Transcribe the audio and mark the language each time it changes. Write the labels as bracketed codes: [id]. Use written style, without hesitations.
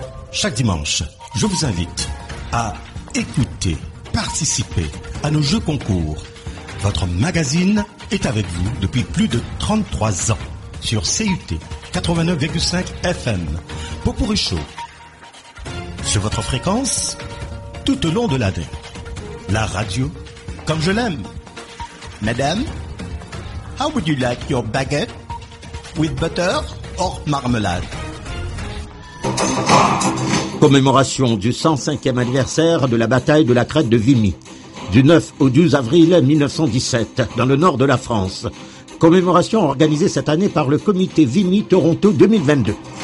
[fr] Chaque dimanche, je vous invite à écouter, participer à nos jeux concours. Votre magazine est avec vous depuis plus de 33 ans sur CUT 89,5 FM. Popourri Show. Sur votre fréquence, tout au long de l'année. La radio, comme je l'aime. [en] Madame, how would you like your baguette with butter or marmalade? [fr] Commémoration du 105e anniversaire de la bataille de la crête de Vimy, du 9 au 12 avril 1917, dans le nord de la France. Commémoration organisée cette année par le comité Vimy Toronto 2022.